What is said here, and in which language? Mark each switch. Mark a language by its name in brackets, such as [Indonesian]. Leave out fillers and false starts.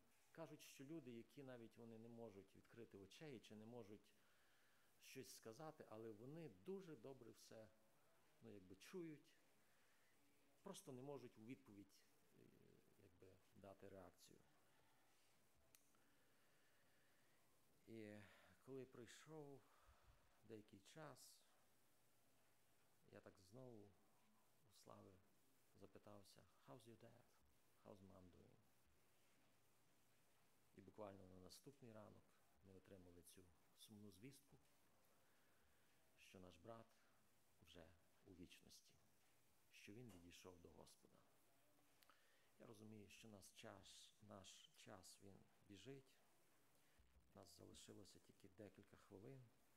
[Ukrainian] Кажуть, що люди, які навіть вони не можуть відкрити очей, чи не можуть щось сказати, але вони дуже добре все, ну, якби чують, просто не можуть у відповідь якби дати реакцію. І коли прийшов деякий час, я так знову у Слави запитався, [English] how's your dad? How's mom doing? [Ukrainian] І буквально на наступний ранок ми отримали цю сумну звістку, що наш брат вже у вічності, що він відійшов до Господа. Я розумію, що наш час він біжить, нас залишилося тільки декілька хвилин.